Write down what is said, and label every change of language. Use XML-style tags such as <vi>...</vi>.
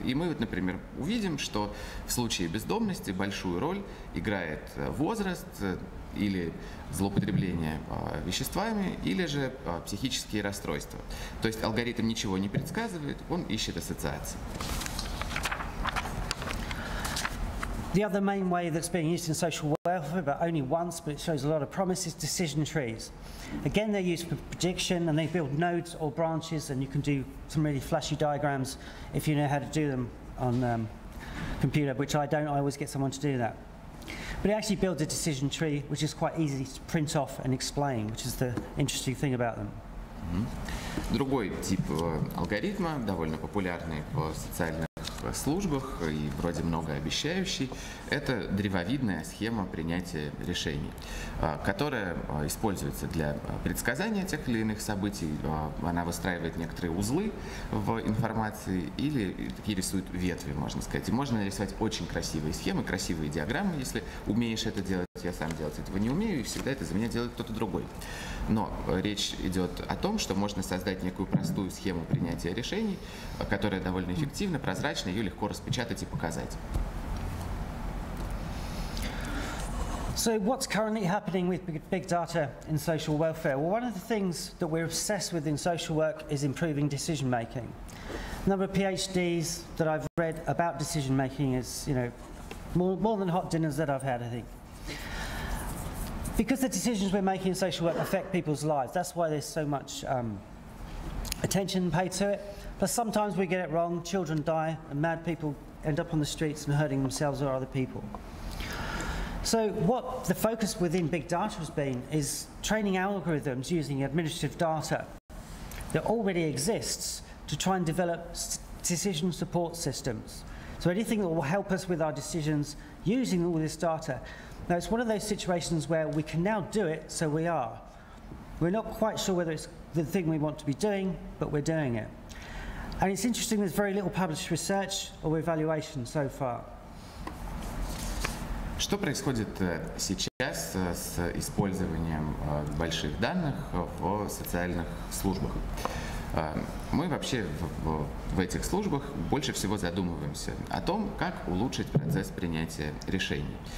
<ru>И мы, вот, например, увидим, что в случае бездомности большую роль играет возраст или злоупотребление веществами, или же психические расстройства. То есть алгоритм ничего не предсказывает, он ищет ассоциации.</ru> <en>The other main way that's being used in social welfare, but only once, but it shows a lot of promise, is decision trees. Again, they're used for prediction, and they build nodes or branches, and you can do some really flashy diagrams if you know how to do them on computer, which I don't. I always get someone to do that. But it actually builds a decision tree, which is quite easy to print off and explain, which is the interesting thing about them.</en> <ru>Другой тип алгоритма, довольно популярный в социальных службах и вроде многообещающий, это древовидная схема принятия решений, которая используется для предсказания тех или иных событий. Она выстраивает некоторые узлы в информации или такие рисует ветви, можно сказать. И можно нарисовать очень красивые схемы, красивые диаграммы, если умеешь это делать. Я сам делать этого не умею, и всегда это за меня делает кто-то другой. Но речь идет о том, что можно создать некую простую схему принятия решений, которая довольно эффективна, прозрачна, ее легко распечатать и показать.</ru> <en>So what's currently happening with big data in social welfare? Well, one of the things that we're obsessed with in social work is improving decision making. The number of PhDs that I've read about decision making is, you know, more than hot dinners that I've had, I think. Because the decisions we're making in social work affect people's lives. That's why there's so much attention paid to it. But sometimes we get it wrong, children die, and mad people end up on the streets and hurting themselves or other people. So what the focus within big data has been is training algorithms using administrative data that already exists to try and develop decision support systems. So anything that will help us with our decisions using all this data. Now, it's one of those situations where we can now do it, so we are. We're not quite sure whether it's the thing we want to be doing, but we're doing it. And it's interesting, there's very little published research or evaluation so far.</en> <ru>Что происходит сейчас с использованием больших данных в социальных службах? Мы вообще в этих службах больше всего задумываемся о том, как улучшить процесс принятия решений.</ru>